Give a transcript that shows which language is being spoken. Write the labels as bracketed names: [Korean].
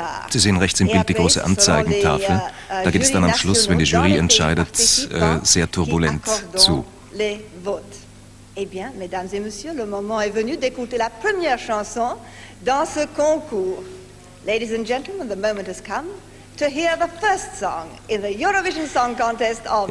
[German] Sie sehen rechts im Bild die große Anzeigentafel. Da geht es dann am Schluss, wenn die Jury entscheidet, sehr turbulent zu. [French] Eh bien, mesdames et messieurs, le moment est venu d'écouter la première chanson dans ce concours. [English] Ladies and gentlemen, the moment has come to hear the first song in the Eurovision Song Contest of 1974.